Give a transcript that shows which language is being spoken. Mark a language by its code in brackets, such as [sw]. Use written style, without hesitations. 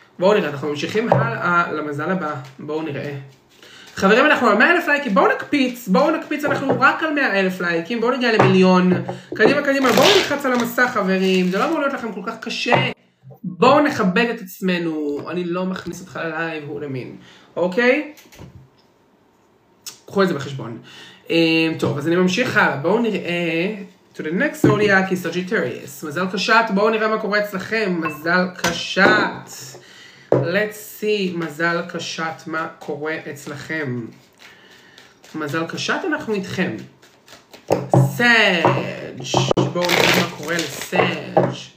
[he] בואו נראה, אנחנו ממשיכים הלאה למזל הבא. בואו נראה. חברים, אנחנו על 100,000 לייקים, בואו נקפיץ, בואו נקפיץ, אנחנו רק על 100,000 לייקים, בואו נגיע למיליון. קדימה, קדימה, בואו נלחץ על המסך, חברים, זה לא אמור להיות לכם כל כך קשה. בואו נכבד את עצמנו, אני לא מכניס אותך ללייב, הוא למין, אוקיי? קחו את זה בחשבון. טוב, אז אני ממשיך הלאה, בואו נראה. [en] To the next zodiac is Sagittarius. [he] מזל קשת, בואו נראה מה קורה אצלכם, מזל קשת. [en] Let's see, [he] מזל קשת, מה קורה אצלכם? מזל קשת, אנחנו איתכם. סאג', בואו נראה מה קורה לסאג'.